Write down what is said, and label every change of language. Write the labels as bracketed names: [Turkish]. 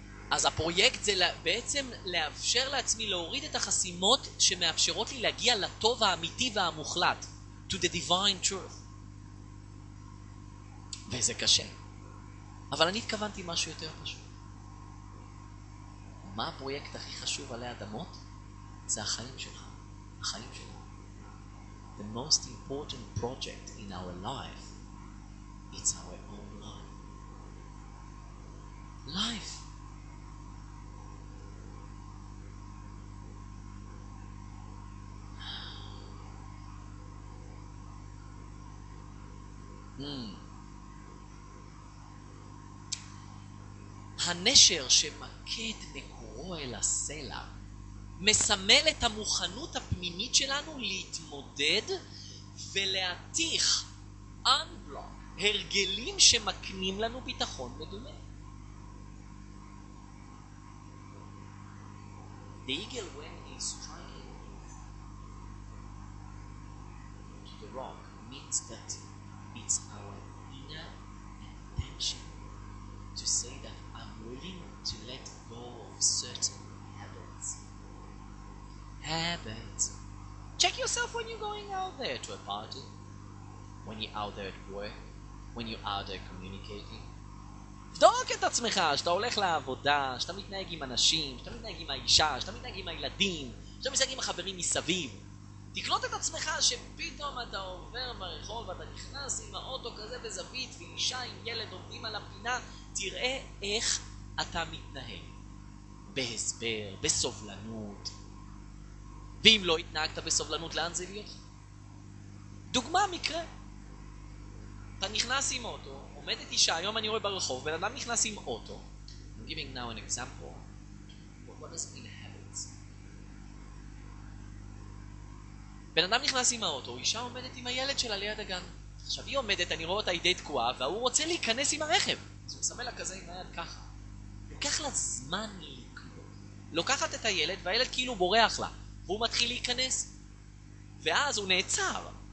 [Hebrew] אז הפרויקט זה בעצם לאפשר לעצמי להוריד את החסימות שמאפשרות לי להגיע לטוב האמיתי והמוחלט. [English] To the divine truth. [Hebrew] וזה קשה. אבל אני התכוונתי משהו יותר פשוט. מה הפרויקט הכי חשוב עלי אדמות? זה החיים שלך. החיים שלך. [English] The most important project in our life, it's our own life. Life. [Hebrew] הנשר שמכה את מקורו אל הסלע מסמל את המוכנות הפנימית שלנו להתמודד ולהתיך [English] unblock [Hebrew] הרגלים שמקנים לנו ביטחון מדומה. [English] The eagle when he's trying to the rock means that it's our inner intention to say that willing to let go of certain habits. Habits. Check yourself when you're going out there to a party, when you're out there at work, when you're out there communicating. [Hebrew] דוק את עצמך, שאתה הולך לעבודה, שאתה מתנהג עם אנשים, שאתה מתנהג עם האישה, שאתה מתנהג עם הילדים, שאתה מתנהג עם החברים מסביב. תקלוט את עצמך שפתאום אתה עובר ברחוב ואתה נכנס עם האוטו כזה בזווית ואישה עם ילד עובדים על הפינה, תראה איך אתה מתנהג. בהסבר, בסובלנות. ואם לא התנהגת בסובלנות, לאן זה להיות? דוגמה, מקרה. אתה נכנס עם אוטו, עומדת אישה, היום אני רואה ברחוב, בן אדם נכנס עם אוטו. [English] I'm giving now an example. What does it mean habits? [Hebrew] בן אדם נכנס עם האוטו, אישה עומדת עם הילד שלה ליד הגן. עכשיו היא עומדת, אני רואה אותה היא די תקועה, והוא רוצה להיכנס עם הרכב. אז הוא מסמל לה כזה עם היד ככה. לוקח לה זמן לקלוט. לוקחת את הילד והילד כאילו בורח לה. והוא מתחיל להיכנס. ואז הוא נעצר.